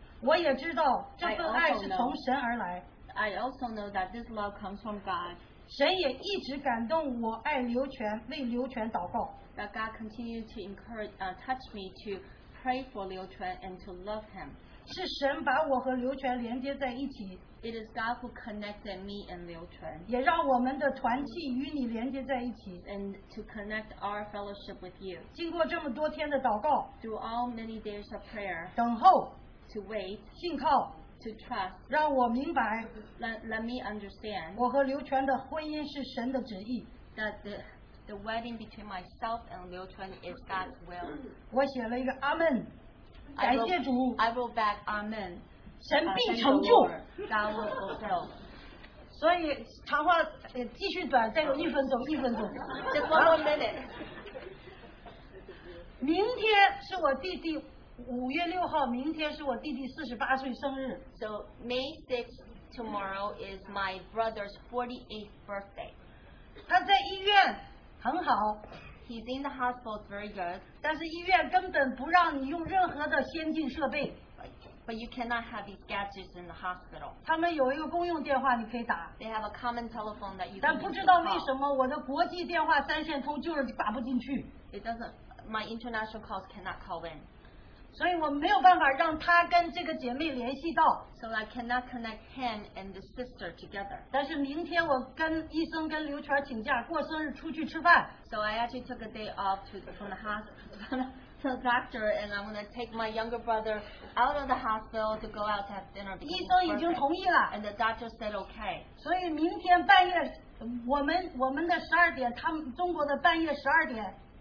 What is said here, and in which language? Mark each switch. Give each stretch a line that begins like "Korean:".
Chinese: 我也知道这份爱是从神而来,
English: I also know that this love comes from God.
Chinese: 神也一直感动我爱刘全为刘全祷告,
English: that God continues to encourage, touch me to pray for Liu Chuan and to love him.
Chinese: 是神把我和刘全连接在一起,
English: it is God who connected me and Liu Chuan,
Chinese: 也让我们的团契与你连接在一起,
English: and to connect our fellowship with you.
Chinese: 经过这么多天的祷告,
English: through all many days of prayer,
Chinese: 等候,
English: to wait,
Chinese: 信靠,
English: to trust,
Chinese: 让我明白,
English: let me understand,
Chinese: 我和刘全的婚姻是神的旨意,
English: that the wedding between myself and Liu Chuan is God's will.
Chinese: 我写了一个阿们, 感谢主,
English: I will back Amen.
Chinese: 神必成就,
English: God will fulfill.
Chinese: 所以长话继续短, 再有一分钟, 一分钟,
English: just one more minute.
Chinese: 明天是我弟弟, 5月6号, 明天是我弟弟48岁生日,
English: so May 6th tomorrow is my brother's 48th birthday.
Chinese: 他在医院, 很好,
English: he's in the hospital, it's very good.
Chinese: 但是医院根本不让你用任何的先进设备,
English: but you cannot have these gadgets in the hospital.
Chinese: 他们有一个公用电话你可以打,
English: they have a common telephone that you can use.
Chinese: 但不知道为什么我的国际电话三线通就是打不进去,
English: it doesn't, my international calls cannot call in.
Chinese: 所以我没有办法让他跟这个姐妹联系到,
English: so I cannot connect him and the sister together.
Chinese: 但是明天我跟医生跟刘全请假过生日出去吃饭,
English: so I actually took a day off from the hospital to the doctor, and I'm going to take my younger brother out of the hospital to go out to have dinner.
Chinese: 医生已经同意了,
English: and the doctor said okay.
Chinese: 所以明天半夜我们的12点, 他们中国的半夜12点,